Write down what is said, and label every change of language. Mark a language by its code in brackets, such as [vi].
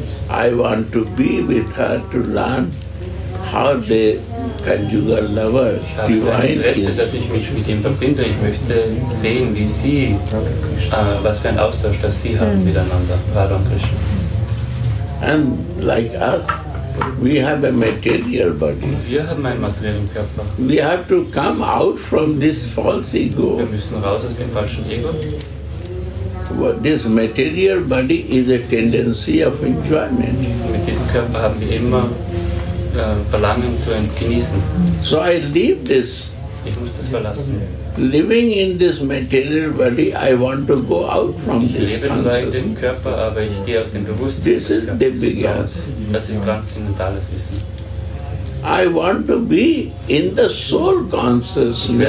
[en] I want to be with her to learn how the conjugal lover divine is. [de] Dass ich mich mit ihm verbinde. Ich möchte sehen, wie sie, was für ein Austausch, dass sie haben miteinander, Radha und Krishna. [en] And like us, we have a material body. [de] Wir haben einen materiellen Körper. [en] We have to come out from this false ego. [de] Wir müssen raus aus dem falschen Ego. [en] Well, this material body is a tendency of enjoyment. [de] Mit diesem Körper haben wir immer Verlangen zu genießen. [en] So I leave this Living in this material body, I want to go out from this consciousness. This is the beginning. I want to be in the soul consciousness.